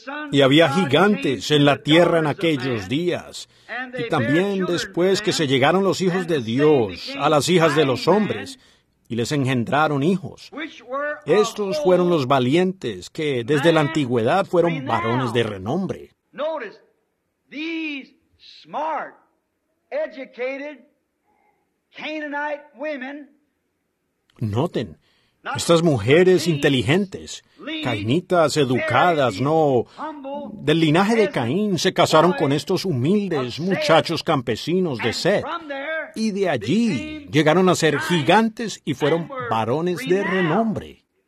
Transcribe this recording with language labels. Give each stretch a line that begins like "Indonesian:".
Spanish: Y había gigantes en la tierra en aquellos días. Y también después que se llegaron los hijos de Dios a las hijas de los hombres y les engendraron hijos. Estos fueron los valientes que desde la antigüedad fueron varones de renombre.
English: Notice, these smart, educated Canaanite women.
Spanish: Noten. Estas mujeres inteligentes, cainitas, educadas, no, del linaje de Caín, se casaron con estos humildes muchachos campesinos de Set. Y de allí llegaron a ser gigantes y fueron varones de renombre.